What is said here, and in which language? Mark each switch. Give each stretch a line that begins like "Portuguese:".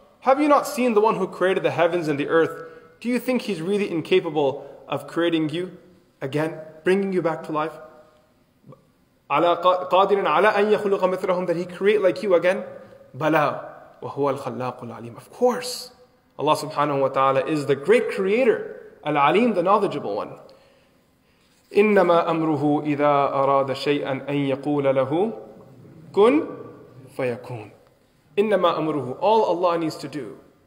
English: Have you not seen the one who created the heavens and the earth? Do you think he's really incapable of creating you again, bringing you back to life?
Arabic: قَادِرٍ عَلَىٰ أَن يَخُلُقَ مِثْلَهُمْ,
English: that he create like you again?
Arabic: بَلَىٰ وَهُوَ الْخَلَّاقُ الْعَلِيمُ.
English: Of course, Allah subhanahu wa ta'ala is the great creator, Al-Alim, the knowledgeable one.
Arabic: إِنَّمَا أَمْرُهُ إِذَا أَرَادَ شَيْئًا أَن يَقُولَ لَهُ كُنْ فَيَكُونَ. إِنَّمَا أَمْرُهُ,
English: all Allah needs to do.